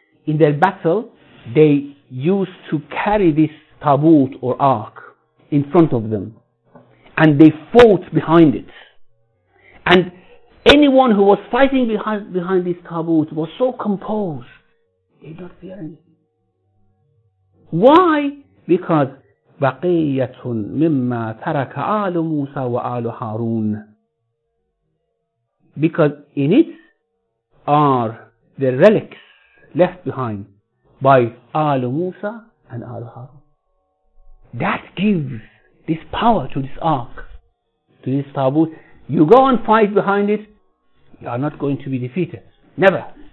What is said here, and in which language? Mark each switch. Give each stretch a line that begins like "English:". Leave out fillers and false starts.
English: in their battle, they used to carry this tabut or ark in front of them, and they fought behind it. And anyone who was fighting behind this tabut was so composed, they did not fear anything. Why?
Arabic: Because بَقِيَّةٌ مِمَّا تَرَكَ آلُ مُوسَى وَآلُ هَارُونَ.
English: Because in it are the relics left behind by آلُ مُوسَى and آلُ هَارُونَ. That gives this power to this ark, to this tabut. You go and fight behind it, you are not going to be defeated. Never.